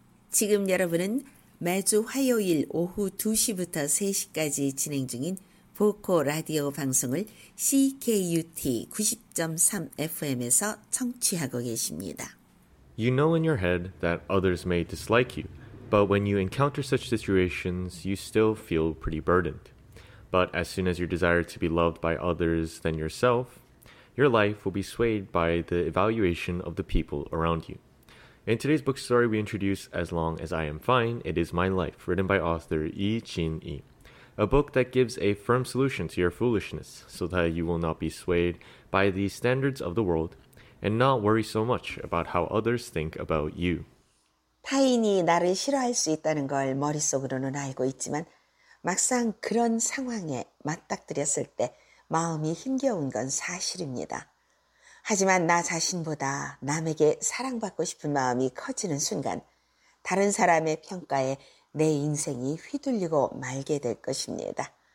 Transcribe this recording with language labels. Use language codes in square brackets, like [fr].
[ko] 지금 여러분은 매주 화요일 오후 2시부터 3시까지 진행 중인 보코 라디오 방송을 CKUT 90.3 FM에서 청취하고 계십니다. [en] You know in your head that others may dislike you, but when you encounter such situations, you still feel pretty burdened. But as soon as you desire to be loved by others than yourself, your life will be swayed by the evaluation of the people around you. In today's book story, we introduce As Long As I Am Fine, It Is My Life, written by author Yi Jin-yi, a book that gives a firm solution to your foolishness so that you will not be swayed by the standards of the world and not worry so much about how others think about you. [ko] 타인이 나를 싫어할 수 있다는 걸 머릿속으로는 알고 있지만 막상 그런 상황에 맞닥뜨렸을 때 마음이 힘겨운 건 사실입니다. 하지만 나 자신보다 남에게 사랑받고 싶은 마음이 커지는 순간 다른 사람의 평가에 내 인생이 휘둘리고 말게 될 것입니다.